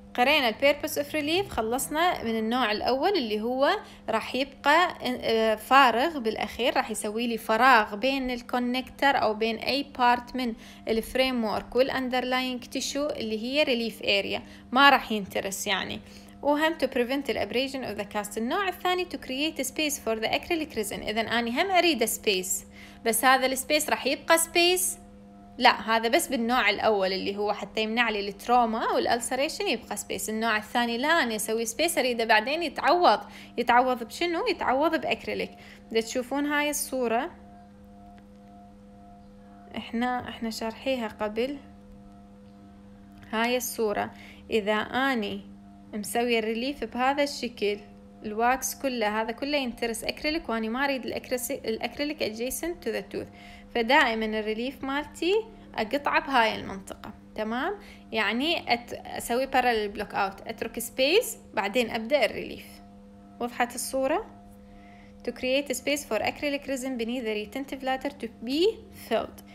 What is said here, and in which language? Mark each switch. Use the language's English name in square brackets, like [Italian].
[Arabic] قرينا الـ Purpose of Relief، خلصنا من النوع الأول اللي هو راح يبقى فارغ بالأخير، راح يسوي لي فراغ بين الكونكتر أو بين أي بارت من الفريمورك والأندرلاينك تيشو اللي هي Relief Area، ما راح ينترس يعني. وهم [English] to prevent the abrasion of the cast. [Arabic] النوع الثاني [English] to create a space for the acrylic resin. [Arabic] إذن أنا هم أريد a space، بس هذا السبيس راح يبقى سبيس؟ لا، هذا بس بالنوع الأول اللي هو حتى يمنع لي التروما والألسريشن يبقى سبيس. النوع الثاني لا، أنا أسوي سبيس أريده بعدين يتعوض. يتعوض بشنو؟ يتعوض بأكريليك. ده تشوفون هاي الصورة، إحنا شرحيها قبل. هاي الصورة إذا أني مسوي الريليف بهذا الشكل، الواكس كله هذا كله ينترس أكريليك، وأني ما أريد الأكريليك adjacent to the tooth، فدائما الريليف مالتي أقطع بهاي المنطقة، تمام؟ يعني أسوي parallel block out، أترك space بعدين أبدأ الريليف. [English] وضحت الصورة؟ to create a space for acrylic resin beneath the retentive ladder to be filled.